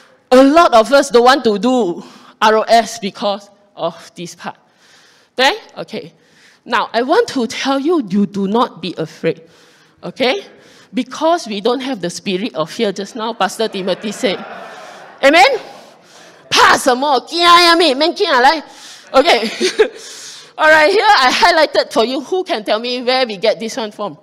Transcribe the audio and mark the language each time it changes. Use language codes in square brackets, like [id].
[en] A lot of us don't want to do ROS because of this part. [zh] 对?Okay. [en] Now, I want to tell you, you do not be afraid. Okay? Because we don't have the spirit of fear just now, Pastor Timothy said. Amen? [zh] 怕什么?怕什么?怕什么?怕什么? [en] Okay, all right, here I highlighted for you. Who can tell me where we get this one from?